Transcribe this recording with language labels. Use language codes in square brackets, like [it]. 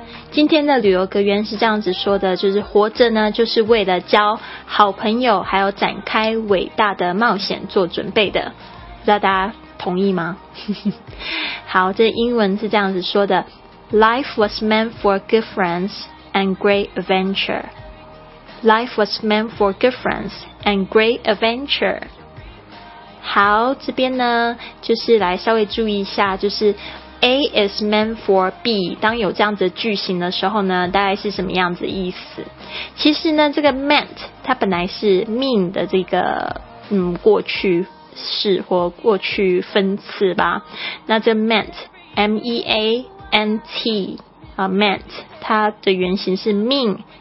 [zh] 今天的旅游格言是这样子说的，就是活着呢，就是为了交好朋友，还有展开伟大的冒险做准备的。不知道大家同意吗？好，这英文是这样子说的 [en] Life was meant for good friends and great adventure. Life was meant for good friends and great adventure. [zh] 好，这边呢就是来稍微注意一下，就是 [en] A is meant for B， [zh] 当有这样子的句型的时候呢，大概是什么样子的意思。其实呢这个 meant 它本来是 mean 的这个过去是或过去分词吧，那这 meant M-E-A-N-T、meant 它的原型是 mean